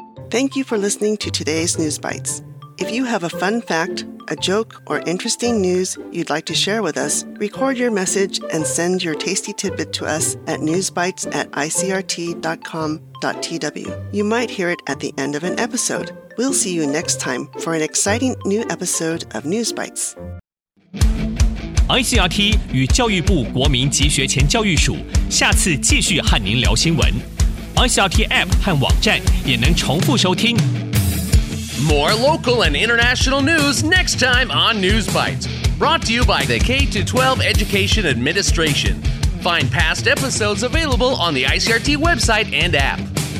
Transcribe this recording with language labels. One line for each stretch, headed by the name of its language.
English: Thank you for listening to today's News Bites. If you have a fun fact, a joke, or interesting news you'd like to share with us, record your message and send your tasty tidbit to us at newsbites@icrt.com.tw. You might hear it at the end of an episode. We'll see you next time for an exciting new episode of News Bites.
Chinese: ICRT 与教育部国民及学前教育署下次继续和您聊新闻。 ICRT App 和网站也能重复收听。
English: More local and international news next time on News Bites. Brought to you by the K-12 Education Administration. Find past episodes available on the ICRT website and app.